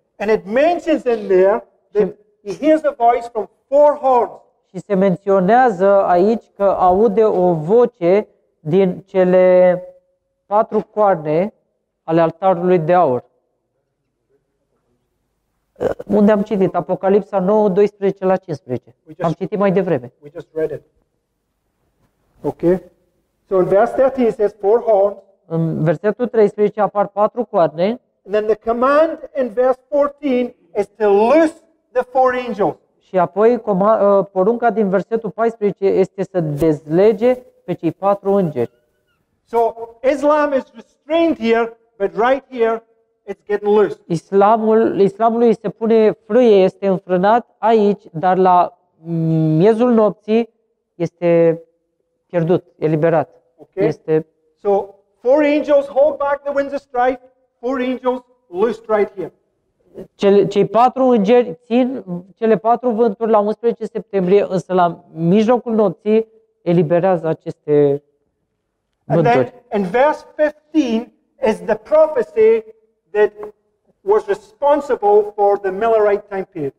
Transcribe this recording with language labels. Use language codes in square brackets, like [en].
[en] And it mentions in there that he hears a voice from four horns. [ro] Și se menționează aici că aude o voce din cele patru coarne ale altarului de aur. Unde am citit? Apocalipsa 9, 12 la 15. Am citit mai devreme. [en] We just read it. Okay. So in verse 13 it says four horns. [ro] În versetul 13 apar patru coarne. [en] And then the command in verse 14 is to loose the four angels. [ro] Și apoi porunca din versetul 14 este să dezlege pe cei patru îngeri. [en] So Islam is restrained here, but right here it's getting loose. [ro] Islamului se pune frâie, este înfrânat aici, dar la miezul nopții este pierdut, eliberat. [en] Okay. [ro] Este. [en] So four angels hold back the winds of strife, four angels loosed right here. [ro] Cei patru îngeri țin cele patru vânturi la 11 septembrie, însă la mijlocul nopții eliberează aceste vânturi. [en] And then, in verse 15 is the prophecy that was responsible for the Millerite time period.